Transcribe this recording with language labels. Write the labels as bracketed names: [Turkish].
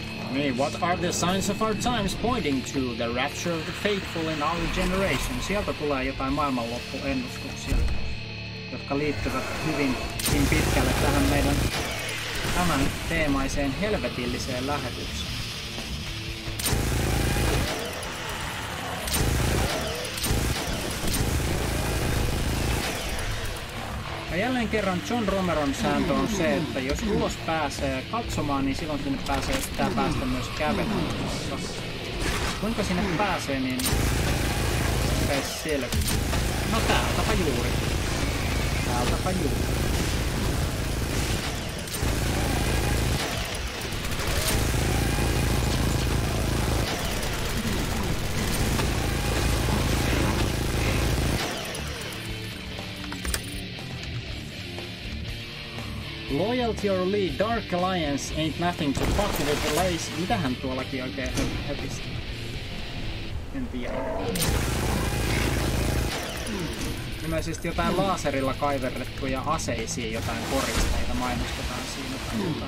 [Finnish] Niin, [English] what are the signs of our times pointing to the rapture of the faithful in our generation? [Finnish] Sieltä tulee jotain maailmanloppuennustuksia, jotka liittyvät hyvin pitkälle tähän meidän tämän teemaiseen helvetilliseen lähetykseen. Ja jälleen kerran John Romeron sääntö on se, että jos ulos pääsee katsomaan, niin silloin sinne pääsee sitä päästä myös kävelemässä. Kuinka sinne pääsee, niin ei selvi. No täältäpä juuri. Täältäpä juuri. [English] Loyalty or lead, Dark Alliance ain't nothing to fuck with the lace. [Finnish] Mitähän tuollakin oikein höpistä? En tiedä. Ilmeisesti jotain laserilla kaiverrettuja aseisiin jotain koristeita mainostetaan siinä.